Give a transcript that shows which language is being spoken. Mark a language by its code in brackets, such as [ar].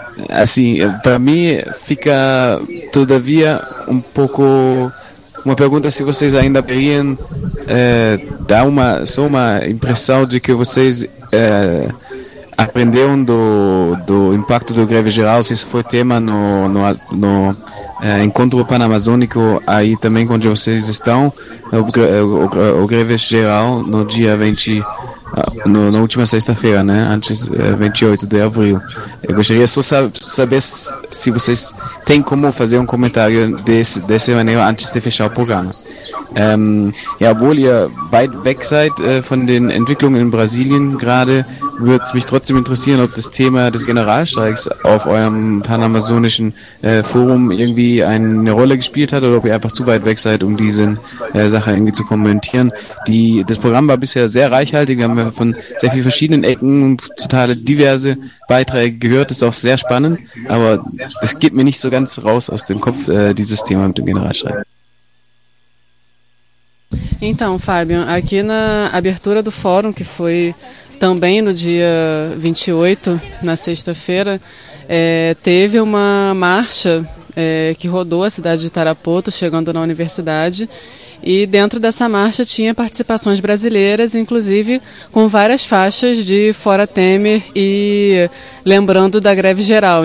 [pt] Assim, para mim fica todavia um pouco uma pergunta se vocês ainda poderiam dar uma impressão de que vocês aprenderam do impacto do greve geral, se isso foi tema no encontro panamazônico aí também, onde vocês estão, o greve geral no dia 20, na última sexta-feira, né, antes, 28 de abril. Eu gostaria só saber se vocês têm como fazer um comentário dessa maneira antes de fechar o programa. [de] Obwohl ihr weit weg seid von den Entwicklungen in Brasilien gerade, würde es mich trotzdem interessieren, ob das Thema des Generalstreiks auf eurem panamazonischen Forum irgendwie eine Rolle gespielt hat oder ob ihr einfach zu weit weg seid, um diese Sache irgendwie zu kommentieren. Das Programm war bisher sehr reichhaltig, haben wir von sehr vielen verschiedenen Ecken und total diverse Beiträge gehört, das ist auch sehr spannend, aber es geht mir nicht so ganz raus aus dem Kopf, dieses Thema mit dem Generalstreik. [pt] Então, Fábio, aqui na abertura do fórum, que foi também no dia 28, na sexta-feira, teve uma marcha que rodou a cidade de Tarapoto, chegando na universidade, e dentro dessa marcha tinha participações brasileiras, inclusive com várias faixas de Fora Temer e lembrando da greve geral.